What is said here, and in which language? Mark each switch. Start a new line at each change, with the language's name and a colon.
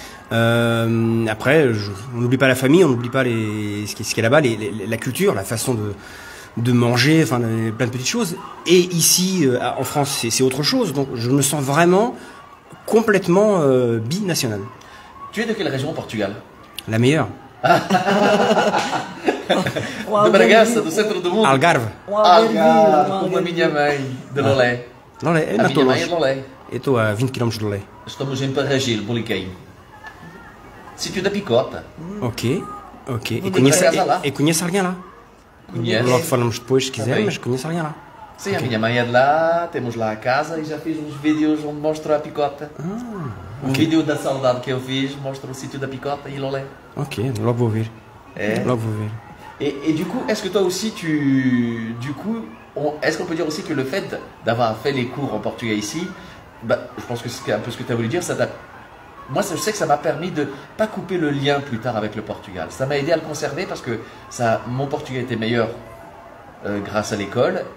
French: Après, on n'oublie pas la famille, on n'oublie pas ce qu'il y a là-bas, la culture, la façon de manger, enfin, plein de petites choses. Et ici, en France, c'est autre chose. Donc, je me sens vraiment complètement binational. Tu es de quelle région au Portugal? La meilleure.
Portuguese: De Bragança, do centro do mundo. Algarve. Algarve, como a minha mãe, de Lolé. Lolé, a minha mãe é de Lolé. Estou a 20 km de Lolé. Estamos em Parragil, Boliqueim. Sítio da Picota. Ok, ok. E conhece alguém lá? Conhece. Logo falamos depois, se quiser, mas conhece alguém lá. Sim, okay. A minha mãe é de lá, temos lá a casa e já fiz uns vídeos onde mostro a Picota. Ah, okay. O vídeo da saudade que eu fiz mostra o sítio da Picota e Lolé. Ok, logo vou ver. É. Logo vou ver.
French: E du coup, est-ce que toi aussi tu... Du coup, est-ce qu'on peut dire aussi que le fait d'avoir fait les cours en portugais ici, bah, je pense que c'est un peu ce que tu as voulu dire, ça t'a... Moi, je sais que ça m'a permis de ne pas couper le lien plus tard avec le Portugal. Ça m'a aidé à le conserver parce que ça, mon portugais était meilleur grâce à l'école.